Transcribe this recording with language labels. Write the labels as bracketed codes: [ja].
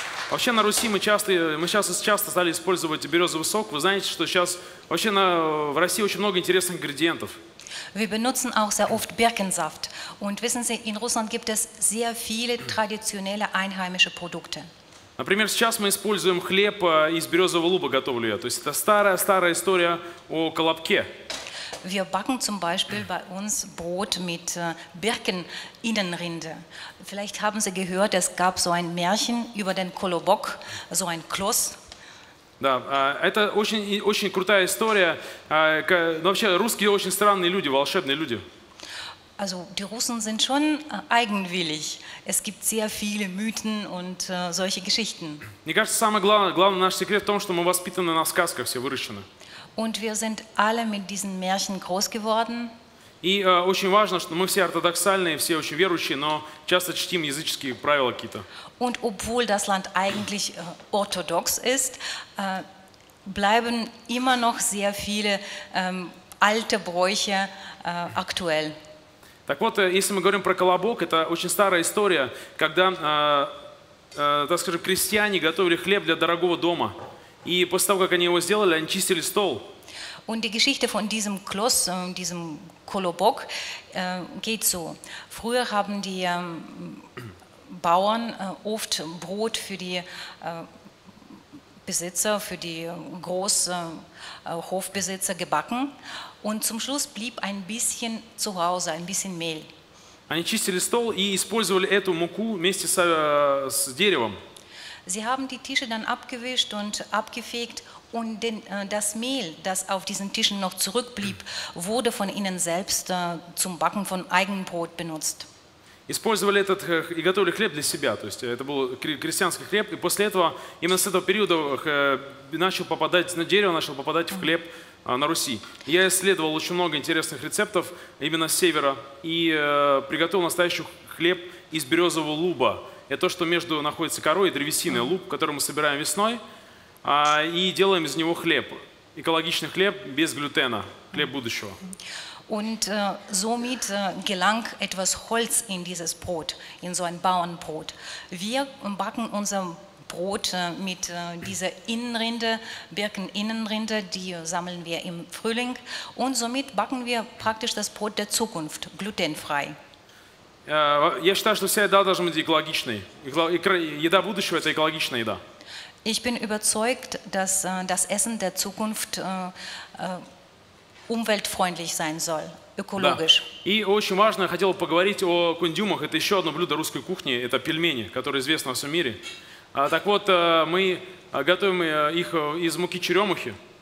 [ru] Вообще на Руси мы сейчас часто стали использовать березовый сок. Вы знаете, что сейчас вообще в России очень много интересных ингредиентов. [de] Wir benutzen auch sehr oft Birkensaft. Und wissen Sie, in Russland gibt es sehr viele traditionelle einheimische Produkte. [ru] Например, сейчас мы используем хлеб из березового луба, готовлю я. То есть это старая история о колобке. [de] Wir backen zum Beispiel bei uns Brot mit Birkeninnenrinde. Vielleicht haben Sie gehört, es gab so ein Märchen über den Kolobok, so ein Kloß. [ru] Да, это очень крутая история. Вообще русские очень странные люди, волшебные люди. [de] Also die Russen sind schon eigenwillig. Es gibt sehr viele Mythen und solche Geschichten. [ru] Мне кажется, самое главное наш секрет в том, что мы воспитаны на сказках, все выращены. [de] Und wir sind alle mit diesen Märchen groß geworden. [ru] И очень важно, что мы все ортодоксальные, все очень верующие, но часто чтим языческие правила какие-то. [de] Und obwohl das Land eigentlich orthodox ist, bleiben immer noch sehr viele alte Bräuche aktuell. [ru] Так вот, если мы говорим про колобок, это очень старая история, когда, так скажем, крестьяне готовили хлеб для дорогого дома. И после того, как они его сделали, они чистили стол. [de] Und die Geschichte von diesem Kloß, diesem Kolobok, geht so. Früher haben die Bauern oft Brot für die Besitzer, für die großen Hofbesitzer gebacken. Und zum Schluss blieb ein bisschen zu Hause, ein bisschen Mehl. [ru] Они чистили стол и использовали эту муку вместе с деревом. [de] Sie haben die Tische dann abgewischt und abgefegt und das Mehl, das auf diesen Tischen noch zurückblieb, wurde von ihnen selbst zum Backen von Eigenbrot benutzt. [ru] Использовали этот и готовили хлеб для себя, то есть это был крестьянский хлеб, и после этого именно с этого периода начал попадать на дерево, начал попадать в хлеб на Руси. Я исследовал очень много интересных рецептов именно с севера и приготовил настоящий хлеб из березового луба. Это то, что между находится корой и древесиной, луб, который мы собираем весной, и делаем из него хлеб. Экологичный хлеб без глютена, хлеб будущего. [de] Und somit gelang etwas Holz in dieses Brot, in so ein Bauernbrot. Wir backen unser Brot mit dieser Innenrinde, Birkeninnenrinde, die sammeln wir im Frühling. Und somit backen wir praktisch das Brot der Zukunft, glutenfrei. [ru] Я считаю, что вся еда должна быть экологичной. Еда будущего – это экологичная еда. [de] Ich bin überzeugt, dass das Essen der Zukunft umweltfreundlich sein soll, ökologisch. [ru] И очень важно, я хотел поговорить о кундюмах. Это еще одно блюдо русской кухни – это пельмени, которые известны во всем мире. Так вот, мы готовим их из муки черемухи.